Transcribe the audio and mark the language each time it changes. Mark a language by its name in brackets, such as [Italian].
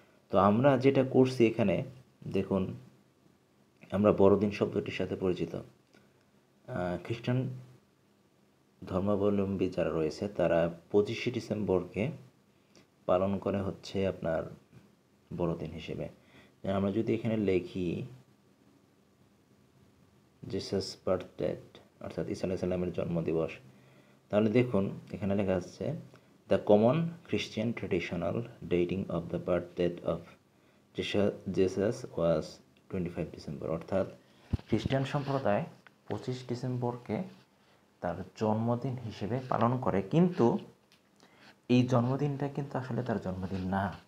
[Bangla] তো আমরা যেটা করছি এখানে দেখুন, আমরা বড়দিন শব্দটির সাথে পরিচিত, খ্রিস্টান ধর্মাবলম্বী যারা রয়েছে তারা 25শে ডিসেম্বরকে পালন করে হচ্ছে আপনার বড়দিন হিসেবে। আমরা যদি এখানে লিখি জেসাস বার্থডে, অর্থাৎ ঈসা আলাইহিস সালামের জন্মদিবস, তাহলে দেখুন এখানে লেখা আছে [English] The common Christian traditional dating of the birth date of Jesus was 25 December. [Bangla] অর্থাৎ খ্রিস্টান সম্প্রদায় 25 ডিসেম্বরকে তার জন্মদিন হিসেবে পালন করে, কিন্তু এই জন্মদিনটা কিন্তু আসলে তার জন্মদিন না।